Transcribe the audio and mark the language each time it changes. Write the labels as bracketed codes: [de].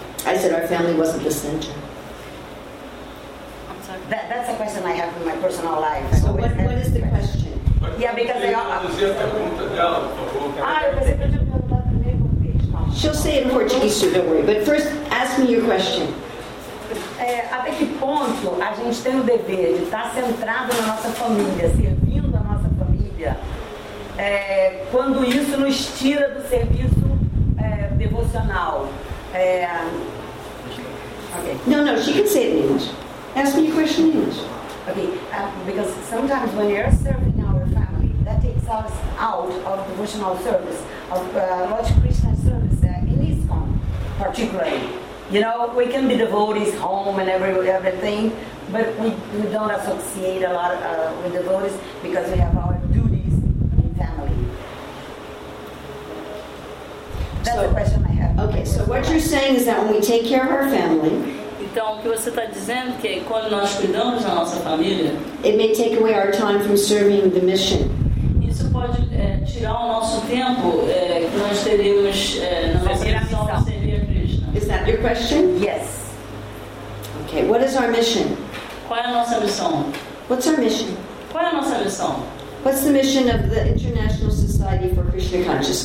[en] I said our family wasn't the center. I'm sorry. That's a question I have in my personal life. So what is the question? Yeah, because she'll say it in Portuguese, so don't worry. But first, ask me your question. [pt] Até que ponto a gente tem o dever de estar centrado na nossa família, servindo a nossa família, quando isso nos tira do serviço devocional? [en] Okay. No, she can say it in English. Ask me a question in English. Okay, because sometimes when you're serving our family, that takes us out of devotional service, of Lord Krishna's service in ISKCON, particularly. You know, we can be devotees home and everything, but we don't associate a lot with devotees because we have our duties in family. That's the question I have. Okay, so what you're saying is that when we take care of our family, [pt] então, o que você está dizendo é que quando nós cuidamos da nossa família, [en] it may take away our time from serving the mission. [pt] Isso pode tirar o nosso tempo que nós teríamos na nossa missão. [en] Is that your question? Yes. Okay, what is our mission? [pt] Qual é a nossa missão? [en] What's our mission? [pt] Qual é a nossa missão? [en] What's the mission of the International Society for Krishna Consciousness?